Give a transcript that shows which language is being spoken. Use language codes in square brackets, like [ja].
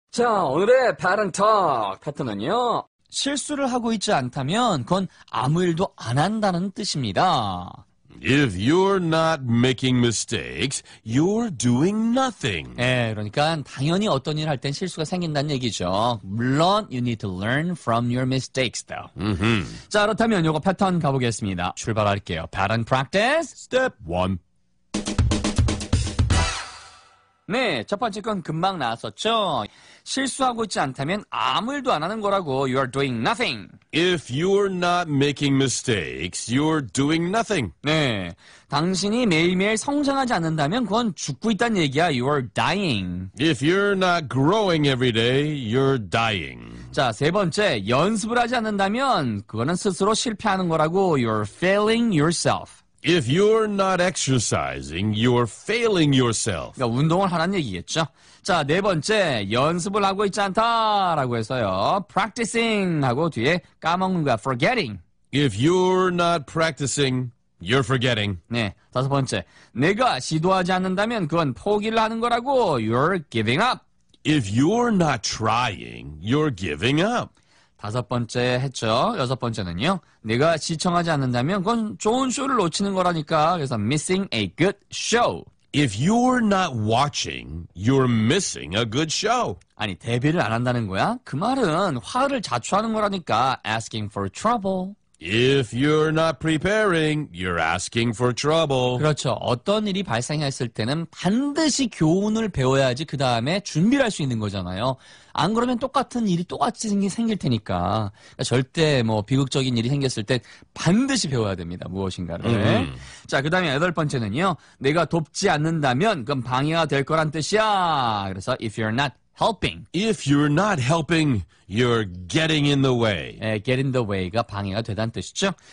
[ko] 자, 오늘의 패턴톡 패턴은요. 실수를 하고 있지 않다면 그건 아무 일도 안 한다는 뜻입니다. [en] If you're not making mistakes, you're doing nothing. [ko] 예, 그러니까 당연히 어떤 일을 할 땐 실수가 생긴다는 얘기죠. 물론 [en] you need to learn from your mistakes, though. Mm-hmm. [ko] 자, 그렇다면 요거 패턴 가보겠습니다. 출발할게요. [en] Pattern practice. Step 1. [ko] 네, 첫 번째 건 금방 나왔었죠. 실수하고 있지 않다면 아무 일도 안 하는 거라고. [en] You are doing nothing. If you're not making mistakes, you're doing nothing. [ko] 네, 당신이 매일매일 성장하지 않는다면 그건 죽고 있다는 얘기야. [en] You are dying. If you're not growing every day, you're dying. [ko] 자, 세 번째, 연습을 하지 않는다면 그거는 스스로 실패하는 거라고. [en] You're failing yourself. If you're not exercising, you're failing yourself. [ko] 그러니까 운동을 하라는 얘기겠죠. 자, 네 번째, 연습을 하고 있지 않다라고 해서요. Practicing 하고 뒤에 까먹는 거야, [en] forgetting. If you're not practicing, you're forgetting. [ko] 네, 다섯 번째, 내가 시도하지 않는다면 그건 포기를 하는 거라고. [en] You're giving up. If you're not trying, you're giving up. [ko] 다섯 번째 했죠. 여섯 번째는요. 내가 시청하지 않는다면 그건 좋은 쇼를 놓치는 거라니까. 그래서 [en] missing a good show. If you're not watching, you're missing a good show. [ko] 아니, 데뷔를 안 한다는 거야? 그 말은 화를 자초하는 거라니까. [en] Asking for trouble. If you're not preparing, you're asking for trouble. [ko] 그렇죠. 어떤 일이 발생했을 때는 반드시 교훈을 배워야지 그 다음에 준비를 할 수 있는 거잖아요. 안 그러면 똑같은 일이 똑같이 생길 테니까. 그러니까 절대 뭐 비극적인 일이 생겼을 때 반드시 배워야 됩니다. 무엇인가를. 자, 그 다음에 여덟 번째는요. 내가 돕지 않는다면 그건 방해가 될 거란 뜻이야. 그래서 [en] if you're not helping. If you're not helping, you're getting in the way. [ko] 네, [en] get in the way [ko] 가 방해가 되다는 뜻이죠.